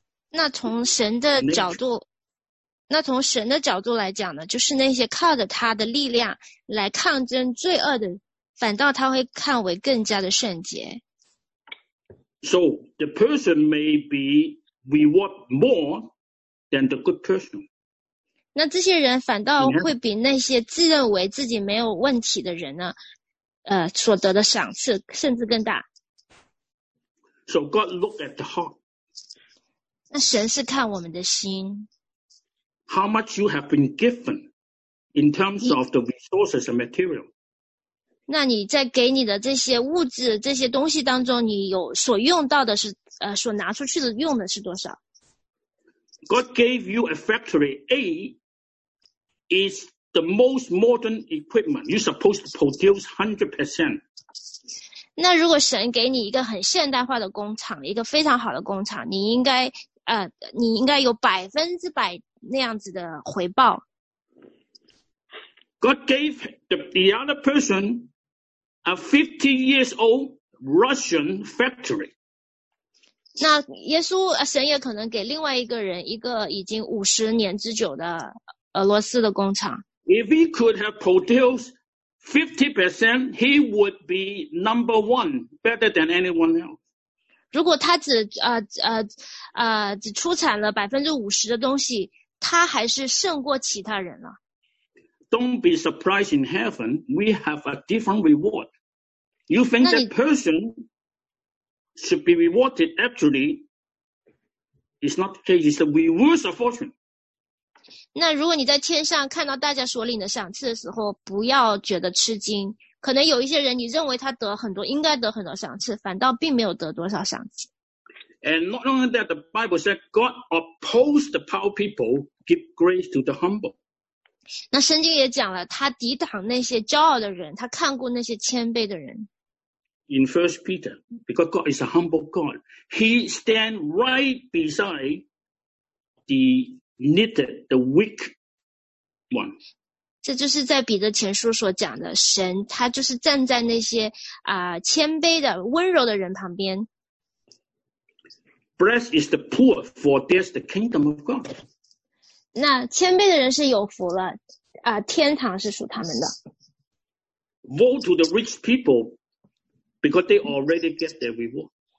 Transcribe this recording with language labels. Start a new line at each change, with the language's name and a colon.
Chinese: 那从神的角度来讲呢，就是那些靠着他的力量来抗争罪恶的，反倒他会看为更加的圣洁。
English: So the person may be reward more than the good person.
Chinese: 那这些人反倒会比那些自认为自己没有问题的人呢？所得的赏赐甚至更大。
English: So God look at the heart.
Chinese: 那神是看我们的心。
English: How much you have been given in terms of the resources and material?
Chinese: 那你在给你的这些物质这些东西当中，你有所用到的是所拿出去的用的是多少
English: ？God gave you a factory. A is the most modern equipment you're supposed to produce 100%.
Chinese: 那如果神给你一个很现代化的工厂，一个非常好的工厂，你应该有100%那样子的回报。
English: God gave the other person a 50 years old Russian factory.
Chinese: 那耶稣，神也可能给另外一个人一个已经50年之久的俄罗斯的工厂。
English: If he could have produced 50%, he would be number one, better than anyone else.
Chinese: 如果他只出产了50%的东西，他还是胜过其他人了。
English: Don't be surprised in heaven, we have a different reward. You think that person should be rewarded, actually, it's not the case, it's the reverse of fortune.
Chinese: 那如果你在天上看到大家所领的赏赐的时候，不要觉得吃惊。可能有一些人，你认为他得很多，应该得很多赏赐，反倒并没有得多少赏赐。
English: And not only that, the Bible said God opposed the proud people, give grace to the humble.
Chinese: 那圣经也讲了，他抵挡那些骄傲的人，他看顾那些谦卑的人。
English: In First Peter, because God is a humble God, He stand right beside the needed the weak one.
Chinese: 这就是在彼得前书所讲的，神他就是站在那些谦卑的温柔的人旁边。
English: Blessed is the poor, for there's the kingdom of God.
Chinese: 那谦卑的人是有福了，天堂是属他们的。
English: Woe to the rich people, because they already get their reward.